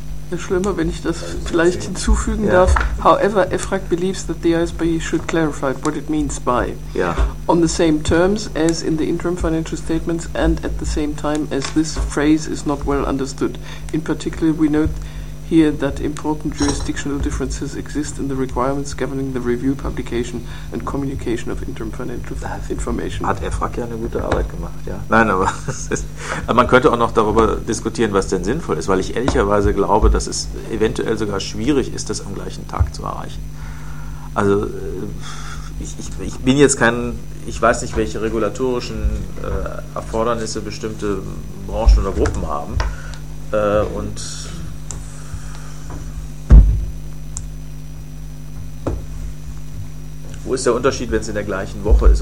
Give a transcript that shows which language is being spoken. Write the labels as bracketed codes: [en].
[de] Ja, schlimmer, wenn ich das vielleicht hinzufügen darf. [en] However, Efrak believes that the ISB should clarify what it means by. Yeah. On the same terms as in the interim financial statements and at the same time as this phrase is not well understood. In particular, we note here that important jurisdictional differences exist in the requirements governing the review, publication and communication of interim financial information. [de] Hat Efrak ja eine gute Arbeit gemacht, ja. Nein, aber man könnte auch noch darüber diskutieren, was denn sinnvoll ist, weil ich ehrlicherweise glaube, dass es eventuell sogar schwierig ist, das am gleichen Tag zu erreichen. Also ich bin jetzt kein, ich weiß nicht, welche regulatorischen Erfordernisse bestimmte Branchen oder Gruppen haben und wo ist der Unterschied, wenn es in der gleichen Woche ist?